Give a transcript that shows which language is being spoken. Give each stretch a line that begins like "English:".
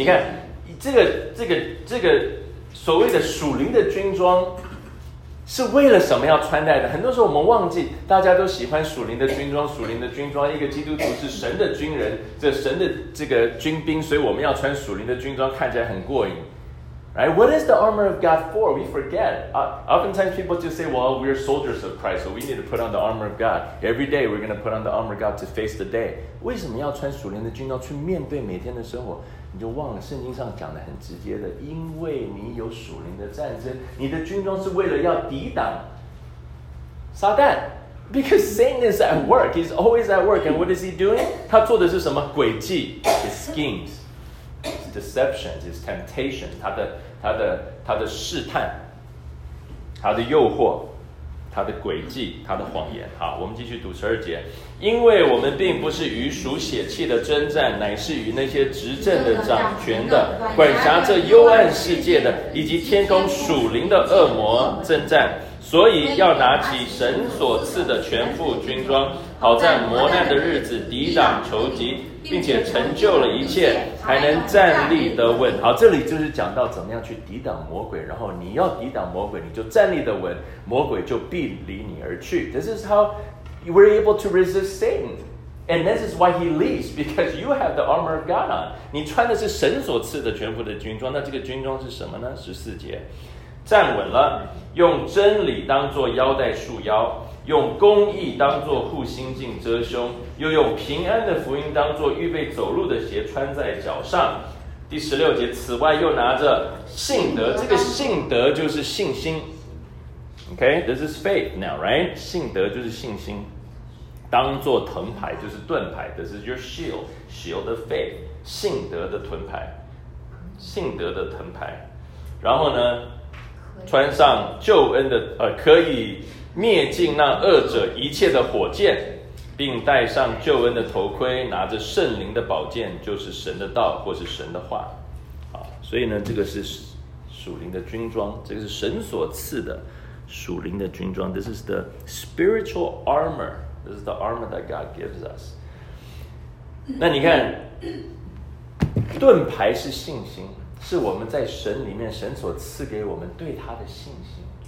Chinese: 你看，这个所谓的属灵的军装，是为了什么要穿戴的？很多时候我们忘记，大家都喜欢属灵的军装，属灵的军装。一个基督徒是神的军人，这神的这个军兵，所以我们要穿属灵的军装，看起来很过瘾。
English: Right? What is the armor of God for? We forget. Oftentimes people just say, well, we're soldiers of Christ, so we need to put on the armor of God. Every day we're going to put on the armor of God to face the day.
Chinese: 为什么要穿属灵的军装去面对每天的生活？你就忘了圣经上讲的很直接的，因为你有属灵的战争，你的军装是为了要抵挡撒旦。
English: Because Satan is at work. He's always at work. And what is he doing?
Chinese: 他做的是什么？诡计。
English: His schemes. His deception, his temptation,
Chinese: 他的试探，他的诱惑，他的诡计，他的谎言。好，我们继续读十二节。因为我们并不是与属血气的征战，乃是与那些执政的、掌权的、管辖这幽暗世界的，以及天空属灵的恶魔征战。所以要拿起神所赐的全副军装，好在磨难的日子抵挡仇敌，并且成就了一切，还能站立得稳。好，这里就是讲到怎么样去抵挡魔鬼，然后你要抵挡魔鬼，你就站立得稳，魔鬼就必离你而去。
English: This is how we're able to resist Satan. And this is why he leaves, because you have the armor of God on.
Chinese: 你穿的是神所赐的全副的军装，那这个军装是什么呢？十四节，站稳了，用真理当作腰带束腰，用公义当作护心镜遮胸，又用平安的福音当作预备走路的鞋穿在脚上。第十六节，此外又拿着信德，这个信德就是信心。
English: Okay, this is faith now, right?
Chinese: 信德就是信心，当作盾牌就是盾牌。
English: This is your shield, shield of faith,
Chinese: 信德的盾牌，信德的盾牌。然后呢，穿上救恩的可以。灭尽那恶者一切的火箭，并戴上救恩的头盔，拿着圣灵的宝剑，就是神的道或是神的话。所以呢，这个是属灵的军装，这个是神所赐的属灵的军装。
English: This is the spiritual armor. This is the armor that God gives us.
Chinese: 那你看，盾牌是信心，是我们在神里面神所赐给我们对他的信心。